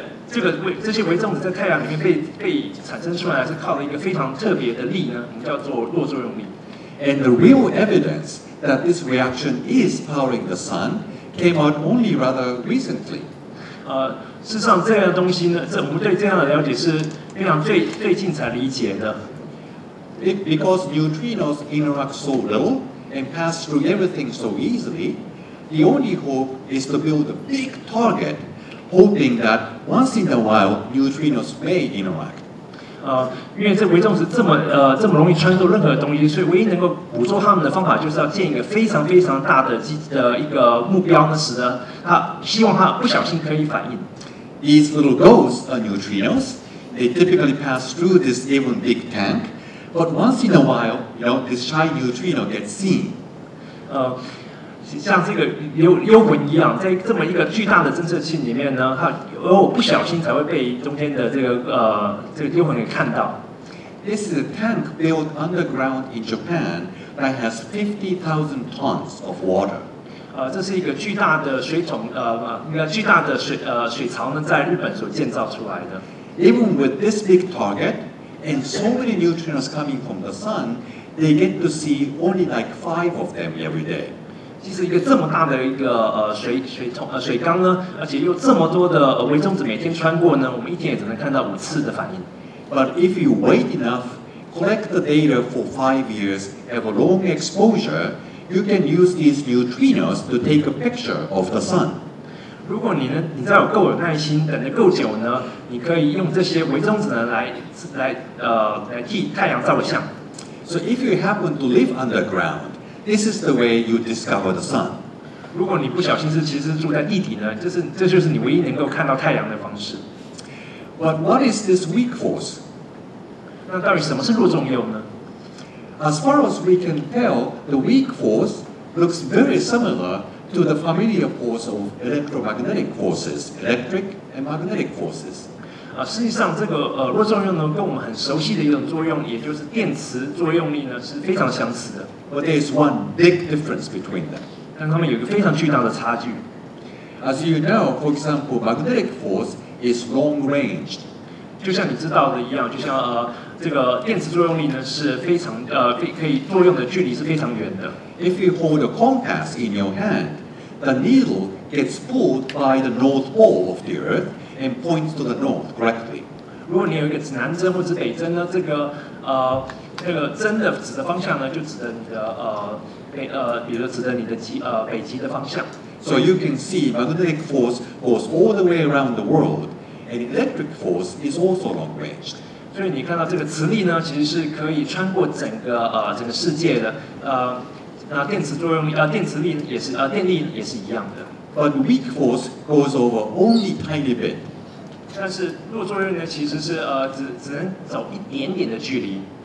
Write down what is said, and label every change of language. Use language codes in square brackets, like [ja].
[zh] 这些微中子在太阳里面被产生出来，是靠了一个非常特别的力呢，我们叫做弱作用力。 [en] And the real evidence that this reaction is powering the sun came out only rather recently. [zh] 事实上这样的东西呢，我们对这样的了解是非常最近才理解的。 [en] Because neutrinos interact so little and pass through everything so easily, the only hope is to build a big target. Hoping that once in a while neutrinos may interact. [zh] 因为这微中子这么容易穿透任何东西，所以唯一能够捕捉它们的方法就是要建一个非常非常大的一个目标呢，使得它希望它不小心可以反应。 [en] These little ghosts are neutrinos. They typically pass through this even big tank, but once in a while, this shy neutrino gets seen. [zh] 像这个幽魂一样，在这么一个巨大的侦测器里面呢，它不小心才会被中间的这个幽魂给看到。 [en] This is a tank built underground in Japan that has 50,000 tons of water. [zh] 这是一个巨大的水桶，巨大的水槽呢，在日本所建造出来的。 [en] Even with this big target and so many neutrinos coming from the sun, they get to see only like 5 of them every day. [zh] 其实一个这么大的一个水缸呢，而且又这么多的微中子每天穿过呢，我们一天也只能看到五次的反应。 [en] But if you wait enough, collect the data for 5 years, have a long exposure, you can use these neutrinos to take a picture of the sun. [zh] 如果你再有够有耐心，等得够久呢，你可以用这些微中子呢来替太阳照相。 [en] So if you happen to live underground. This is the way you discover the sun. [zh] 如果你不小心是其实住在地底呢，这就是你唯一能够看到太阳的方式。 [en] But what is this weak force? [zh] 那到底什么是弱作用呢？ [en] As far as we can tell, the weak force looks very similar to the familiar force of electromagnetic forces, electric and magnetic forces. [zh] 实际上这个弱作用呢，跟我们很熟悉的一种作用，也就是电磁作用力呢，是非常相似的。 [en] But there is one big difference between them. [zh] 但他们有一个非常巨大的差距。 [en] As you know, for example, magnetic force is long range. [zh] 就像你知道的一样，就像这个电磁作用力呢是非常可以作用的距离是非常远的。 [en] If you hold a compass in your hand, the needle gets pulled by the north pole of the earth and points to the north correctly. [zh] 如果你有一个指南针或者北针呢，这个针的指的方向呢，就指的你的比如指的你的北极的方向。 [en] So you can see magnetic force goes all the way around the world, and electric force is also long range. [zh] 所以你看到这个磁力呢，其实是可以穿过整个世界的。那电磁作用力电磁力也是电力也是一样的。 [en] But weak force goes over only tiny bit. [zh] 但是如果做望远镜其实是只能走一点点的距离。